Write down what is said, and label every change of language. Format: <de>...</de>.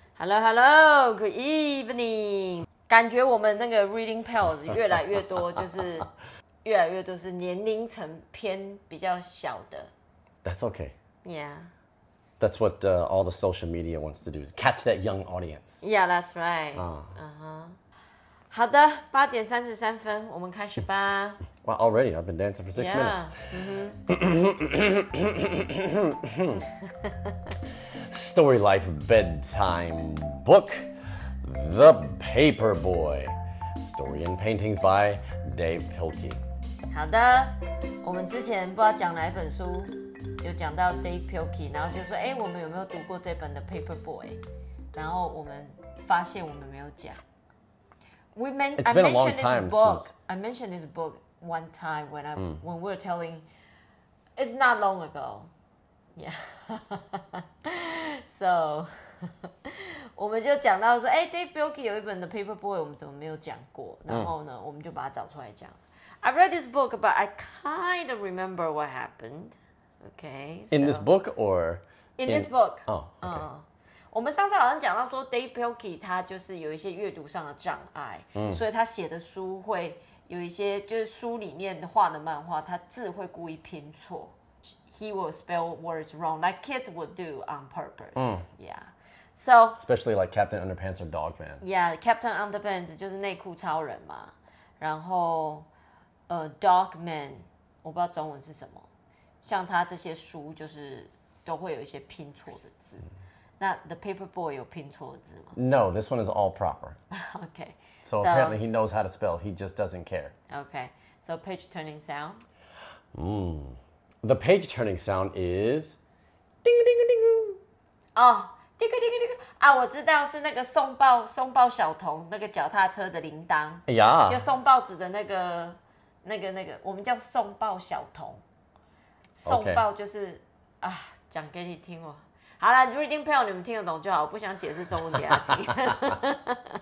<en>Hello, hello, good evening.</en> <zh>感觉我们那个 reading pals 越来越多，就是越来越多是年龄层偏比较小的。</zh> <en>That's okay. Yeah. That's what all the social media wants to do is catch that young audience. Yeah, that's right. Uh-huh.</en> <zh>好的，8:33，我们开始吧。</zh> <en>Well, already, I've been dancing for six minutes. Story Life Bedtime Book, The Paper Boy. Story and Paintings by Dave Pilkey.</en> <zh>好的，我们之前不知道讲哪一本书，有讲到 Dave Pilkey， 然后就说，我们有没有读过这本的 Paper Boy？然后我们发现我们没有讲。</zh> <en>It's been a long time since. I mentioned this book one time when we were telling, it's not long ago. Yeah.</en> <zh>So, 我们就讲到说，Dave Pilkey 有一本的 Paper Boy， 我们怎么没有讲过？然后呢，我们就把它找出来讲。</zh> <en>I read this book, but I kind of remember what happened. Okay. In this book or? In this book. Oh, okay.</en> <zh>我们上次好像讲到说，Dave Pilkey 他就是有一些阅读上的障碍，所以他写的书会有一些就是书里面画的漫画，他字会故意拼错。</zh> <en>He will spell words wrong, like kids would do on purpose. So, especially like Captain Underpants or Dogman.</en> <zh>Yeah, Captain Underpants 就是内裤超人嘛。然后，Dogman 我不知道中文是什么。像他这些书就是都会有一些拼错的字。那 The Paper Boy 有拼错的字吗</zh> <en>？No, this one is all proper. Okay. So apparently he knows how to spell. He just doesn't care. Okay. So page turning sound. The page turning sound is ding ding ding. Oh, ding ding ding.</en> <zh>啊，我知道是那个送报小童那个脚踏车的铃铛。</zh> <en>Yeah.</en> <zh>就送报纸的那个，我们叫送报小童。送报就是、</zh> <en>okay.</en> <zh>啊，讲给你听哦。好啦 reading pal 你们听得懂就好，我不想解释中文给他听。</zh>